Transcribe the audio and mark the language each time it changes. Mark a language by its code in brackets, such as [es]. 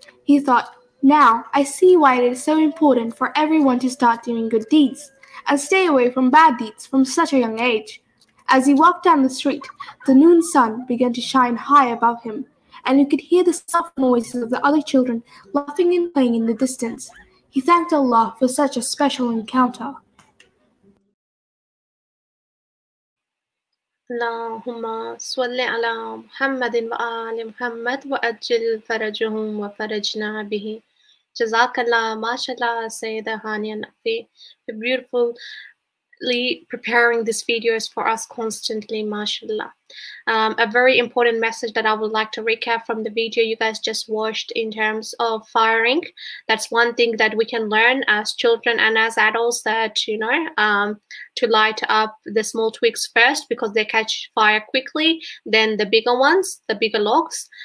[en] He thought, now I see why it is so important for everyone to start doing good deeds and stay away from bad deeds from such a young age. As he walked down the street, the noon sun began to shine high above him, and he could hear the soft noises of the other children laughing and playing in the distance. He thanked Allah for such a special encounter. [ar] اللهم صل على محمد وآل محمد وأجل فرجهم وفرجنا به جزاك الله ما شاء الله سيدة هانية نقفي [en] for beautifully preparing these videos for us constantly [ar] ما شاء الله. [en] A very important message that I would like to recap from the video you guys just watched in terms of firing. That's one thing that we can learn as children and as adults, that, you know, to light up the small twigs first because they catch fire quickly, then the bigger ones, the bigger logs.